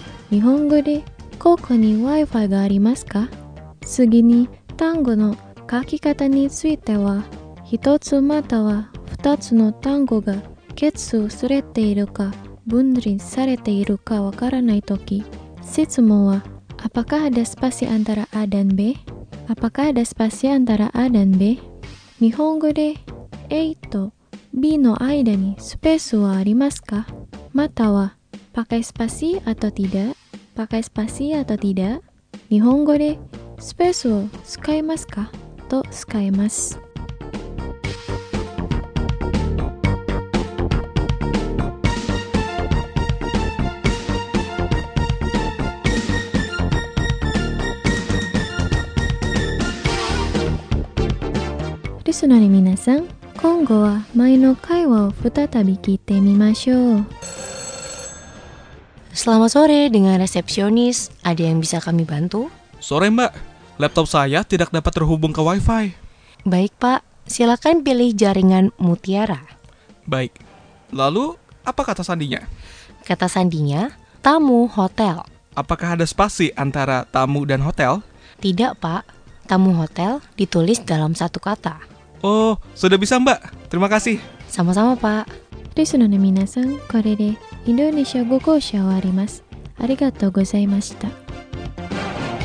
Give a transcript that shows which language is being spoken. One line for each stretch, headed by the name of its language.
Japanese: 日本語でここに Wi-Fi がありますか？次に、単語の書き方については、一つまたは二つの単語が結合されているか、分離されているかわからないとき、質問は
Indonesian: Apakah ada spasi antara A dan B? Apakah ada spasi antara A dan B?
Japanese: 日本語で A と B の間にスペースはありますか？または
Indonesian: Pakai spasi atau tidak? Pakai spasi atau tidak?
Japanese: 日本語でスペースを使いますか？と使えます。リスナーの皆さん、今後は前の会話を再び聞いてみましょう。
Indonesian: Selamat sore dengan resepsionis, ada yang bisa kami bantu? Sore mbak, laptop saya tidak dapat terhubung ke wifi. Baik pak, silakan pilih jaringan mutiara. Baik, lalu apa kata sandinya? Kata sandinya, tamu hotel. Apakah ada spasi antara tamu dan hotel? Tidak pak, tamu hotel ditulis dalam satu kata. Oh, sudah bisa mbak. Terima kasih. Sama-sama, pak.
Japanese: Listener の皆さん、これで Indonesia 語講習終わります。ありがとうございました。